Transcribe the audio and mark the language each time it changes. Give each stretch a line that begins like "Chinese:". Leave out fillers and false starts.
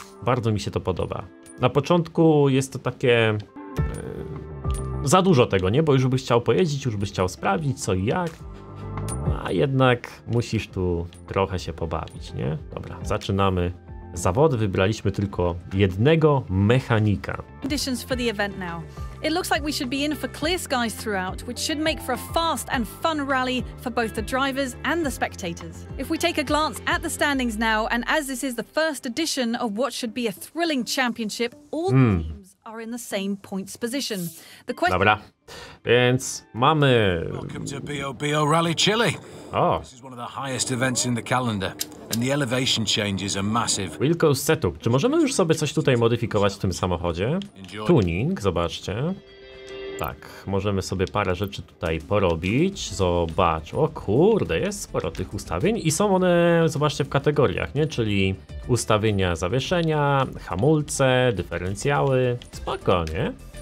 Polish: Bardzo mi się to podoba. Na początku jest to takie... za dużo tego, nie? Bo już byś chciał pojeździć, już byś chciał sprawdzić co i jak. A jednak musisz tu trochę się pobawić, nie? Dobra, zaczynamy. Zawody wybraliśmy tylko jednego mechanika.
English: Conditions for the event now. It looks like we should be in for clear skies throughout, which should make for a fast and fun rally for both the drivers and the spectators. If we take a glance at the standings now, and as this is the first edition of what should be a thrilling championship, all teams are in the same points position. The
Polish: question. Dobra. Więc mamy.
English: Welcome to BOBO Rally Chile. This is one of the highest events in the calendar, and the elevation changes are massive. Wilco setup.
Polish: Czy możemy już sobie coś tutaj modyfikować w tym samochodzie? Tuning, zobaczcie. Tak, możemy sobie parę rzeczy tutaj porobić. Zobacz, o kurde, jest sporo tych ustawień i są one, zobaczcie, w kategoriach, nie? Czyli ustawienia zawieszenia, hamulce, dyferencjały. Spoko, nie?